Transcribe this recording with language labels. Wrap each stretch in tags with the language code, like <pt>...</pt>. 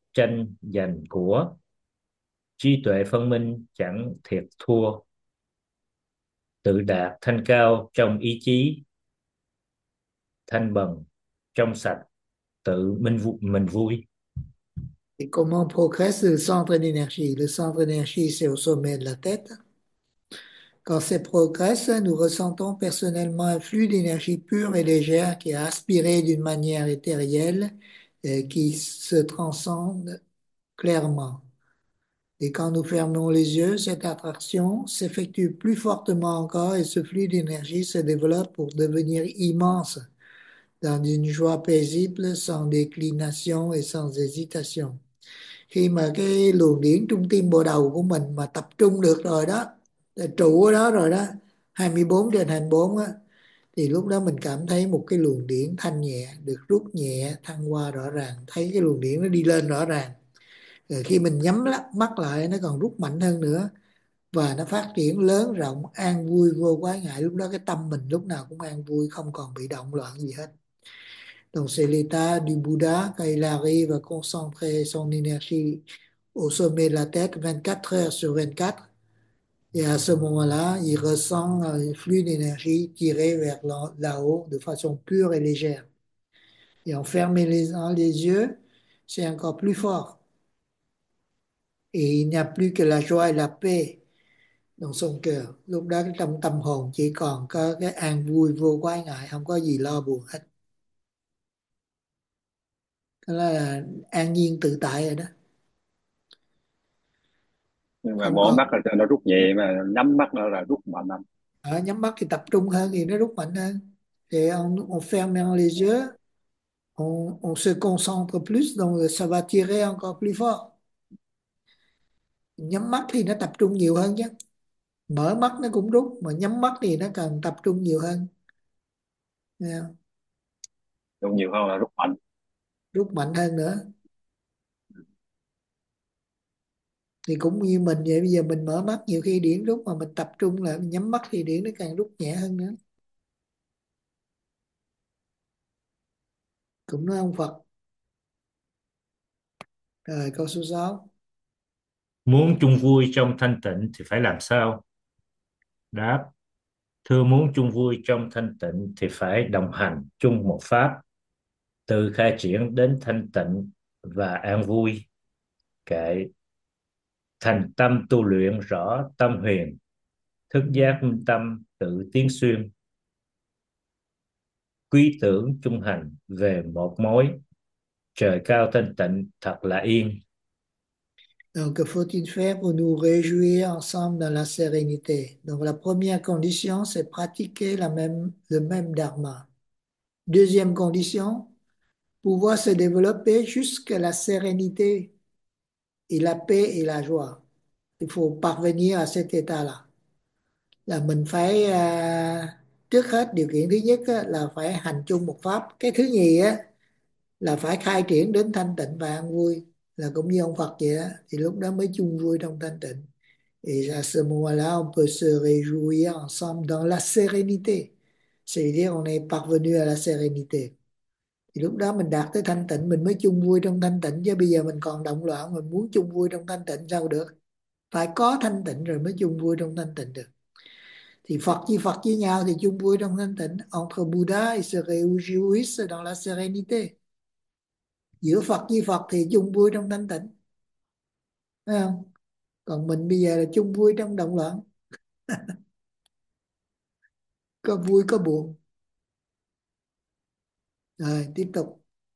<vi>tranh giành của, trí tuệ phân minh chẳng thiệt thua, tự đạt thanh cao trong ý chí, thanh bần trong sạch, tự mình vui.</vi> <fr>Et comment progresse le centre d'énergie? Le centre d'énergie, c'est au sommet de la tête. Quand c'est progresse, nous ressentons personnellement un flux d'énergie pure et légère qui est aspiré d'une manière éthérielle et qui se transcende clairement. Et quand nous fermons les yeux, cette attraction s'effectue plus fortement encore et ce flux d'énergie se développe pour devenir immense dans une joie paisible, sans déclination et sans hésitation.</fr> <vi>Khi mà cái luồng điển trung tâm bộ đầu của mình mà tập trung được rồi đó, trụ ở đó rồi đó, 24 trên 24 á, thì lúc đó mình cảm thấy một cái luồng điển thanh nhẹ, được rút nhẹ, thăng hoa rõ ràng, thấy cái luồng điển nó đi lên rõ ràng. Rồi khi mình nhắm mắt lại, nó còn rút mạnh hơn nữa, và nó phát triển lớn, rộng, an vui, vô quá ngại, lúc đó cái tâm mình lúc nào cũng an vui, không còn bị động loạn gì hết.</vi> <fr>Donc c'est l'état du Bouddha quand il arrive à concentrer son énergie au sommet de la tête 24 heures sur 24. Et à ce moment-là, il ressent un flux d'énergie tiré vers là-haut de façon pure et légère. Et en fermant les yeux, c'est encore plus fort. Et il n'y a plus que la joie et la paix dans son cœur.</fr> <vi>Lúc đó trong tâm hồn chỉ còn có cái an vui vô quái ngại, không có gì lo buồn hết. Đó là an nhiên tự tại rồi đó. Nhưng mà mở mắt là nó rút nhẹ, mà nhắm mắt nó là rút mạnh lắm. À, nhắm mắt thì tập trung hơn thì nó rút mạnh hơn.</vi> <fr>Thì on ferme les yeux, on se concentre plus, donc ça va tirer encore plus fort.</fr> <vi>Nhắm mắt thì nó tập trung nhiều hơn chứ. Mở mắt nó cũng rút, mà nhắm mắt thì nó cần tập trung nhiều hơn. Rút nhiều hơn là rút mạnh. Rút mạnh hơn nữa thì cũng như mình vậy, bây giờ mình mở mắt nhiều khi điển rút, mà mình tập trung lại nhắm mắt thì điển nó càng rút nhẹ hơn nữa. Cũng nói ông Phật. Rồi câu số 6. Muốn chung vui trong thanh tịnh thì phải làm sao? Đáp: thưa, muốn chung vui trong thanh tịnh thì phải đồng hành chung một pháp, từ khai triển đến thanh tịnh và an vui, kệ thành tâm tu luyện rõ tâm huyền, thức giác minh tâm tự tiến xuyên, quy tưởng trung hành về một mối, trời cao thanh tịnh thật là yên.</vi> <fr>Donc, faut-il faire pour nous réjouir ensemble dans la sérénité? Donc, la première condition, c'est pratiquer le même dharma. Deuxième condition, pouvoir se développer jusqu'à la sérénité et la paix et la joie. Il faut parvenir à cet état-là.</fr> <vi>Là mình phải, trước hết, điều kiện thứ nhất là phải hành chung một pháp. Cái thứ nhì là phải khai triển đến thanh tịnh và an vui. Là cũng như ông Phật vậy đó, thì lúc đó mới chung vui trong thanh tịnh.</vi> <fr>Et à ce moment-là, on peut se réjouir ensemble dans la sérénité. C'est-à-dire, on est parvenu à la sérénité.</fr> <vi>Thì lúc đó mình đạt tới thanh tịnh, mình mới chung vui trong thanh tịnh. Chứ bây giờ mình còn động loạn, mình muốn chung vui trong thanh tịnh sao được? Phải có thanh tịnh rồi mới chung vui trong thanh tịnh được. Thì Phật với nhau thì chung vui trong thanh tịnh.</vi> <fr>Entre Bouddha, il se réjouisse dans la sérénité.</fr> <vi>Giữa Phật với Phật thì chung vui trong thanh tịnh. Thấy không? Còn mình bây giờ là chung vui trong động loạn. Có vui có buồn. Rồi, tiếp tục.</vi>